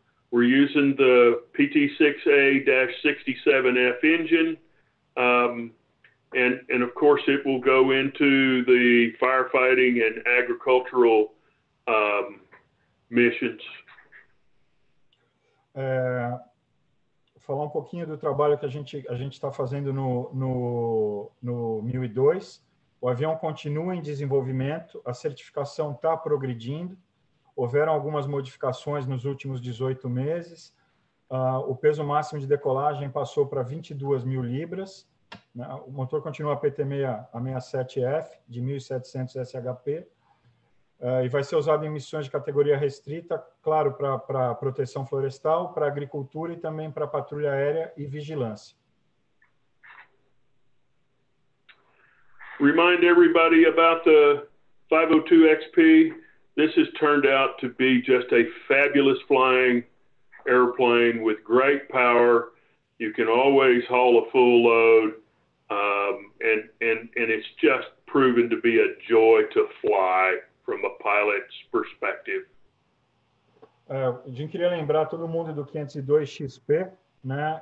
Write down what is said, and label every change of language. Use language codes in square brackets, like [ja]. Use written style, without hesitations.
[en] We're using the PT6A-67F engine. And of course, it will go into the firefighting and agricultural missions. [pt] Falar um pouquinho do trabalho que a gente está fazendo no 1002. O avião continua em desenvolvimento, a certificação está progredindo, houveram algumas modificações nos últimos 18 meses, o peso máximo de decolagem passou para 22 mil libras, né? O motor continua a PT-67F de 1.700 SHP e vai ser usado em missões de categoria restrita, claro, para proteção florestal, para agricultura e também para patrulha aérea e vigilância. [en] Remind everybody about the 502XP. This has turned out to be just a fabulous flying airplane with great power. You can always haul a full load, and it's just proven to be a joy to fly. From a pilot's perspective. [pt] A gente queria lembrar todo mundo do 502XP, né?